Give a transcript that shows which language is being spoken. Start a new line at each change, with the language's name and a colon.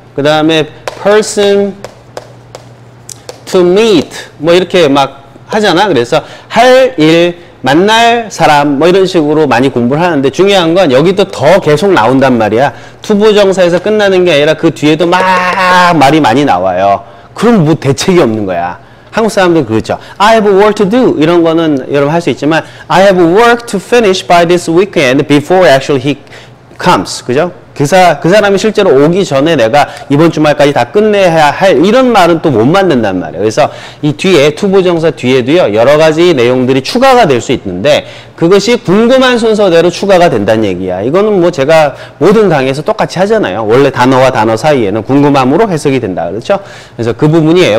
Korean: 그 다음에 person to meet 뭐 이렇게 막 하잖아. 그래서 할 일 만날 사람 뭐 이런 식으로 많이 공부를 하는데 중요한 건 여기도 더 계속 나온단 말이야. 투부정사에서 끝나는 게 아니라 그 뒤에도 막 말이 많이 나와요. 그럼 뭐 대책이 없는 거야. 한국 사람들 그렇죠.
English: I have a work to do
Korean: 이런 거는 여러분 할 수 있지만
English: I have a work to finish by this weekend before actually he comes.
Korean: 그죠? 그 사람이 실제로 오기 전에 내가 이번 주말까지 다 끝내야 할 이런 말은 또 못 만든단 말이에요. 그래서 이 뒤에 투부정사 뒤에도요 여러 가지 내용들이 추가가 될 수 있는데 그것이 궁금한 순서대로 추가가 된다는 얘기야. 이거는 뭐 제가 모든 강의에서 똑같이 하잖아요. 원래 단어와 단어 사이에는 궁금함으로 해석이 된다. 그렇죠? 그래서 그 부분이에요.